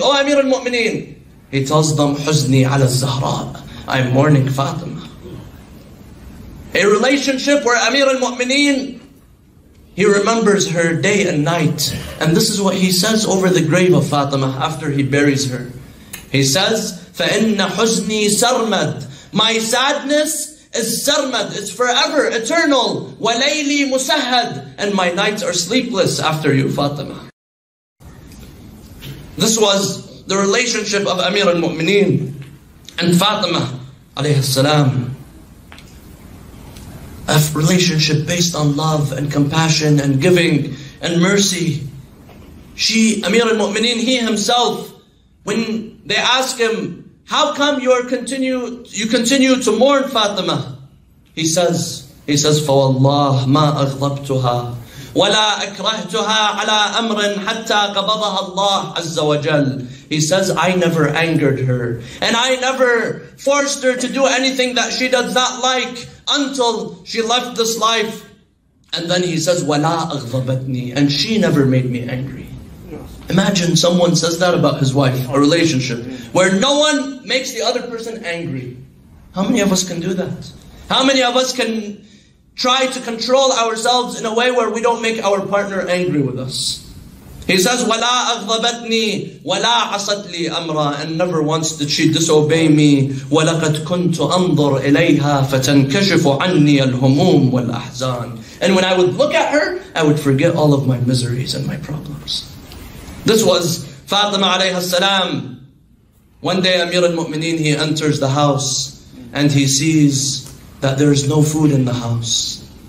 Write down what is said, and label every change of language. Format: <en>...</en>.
<en>Oh, Amir al-Mu'mineen. He tells them,</en> <ar>حُزْنِي عَلَى الزَّهْرَاءِ.</ar> <en>I'm mourning Fatima. A relationship where Amir al-Mu'mineen, he remembers her day and night. And this is what he says over the grave of Fatima after he buries her. He says,</en> <ar>فَإِنَّ حُزْنِي سَرْمَدْ.</ar> <en>My sadness is sarmad, it's forever, eternal.</en> <ar>وَلَيْلِي مُسَهَّدْ.</ar> <en>And my nights are sleepless after you, Fatima. This was the relationship of Amir al-Mu'mineen and Fatima alayhi salam, a relationship based on love and compassion and giving and mercy. She, Amir al-Mu'mineen, he himself, when they ask him, how come you continue to mourn Fatima? He says,</en> <ar>فَوَاللَّهِ مَا أَغْضَبْتُهَا وَلَا أَكْرَهْتُهَا عَلَىٰ أَمْرٍ حَتَّى قَبَضَهَا اللَّهُ عَزَّ وَجَلَّ.</ar> <en>He says, I never angered her. And I never forced her to do anything that she does not like until she left this life. And then he says,</en> <ar>وَلَا أَغْضَبَتْنِي.</ar> <en>And she never made me angry. Imagine someone says that about his wife, a relationship where no one makes the other person angry. How many of us can do that? How many of us can try to control ourselves in a way where we don't make our partner angry with us? He says,</en> <ar>وَلَا أَغْضَبَتْنِي وَلَا عَصَتْ لِي أَمْرًا.</ar> <en>And never once did she disobey me.</en> <ar>وَلَقَدْ كُنْتُ أَنظُرْ إِلَيْهَا فَتَنْكَشِفُ عَنِّي الْهُمُومُ وَالْأَحْزَانِ.</ar> <en>And when I would look at her, I would forget all of my miseries and my problems. This was Fatima alayha salam. One day Amir al-Mu'mineen, he enters the house and he sees that there is no food in the house.</en>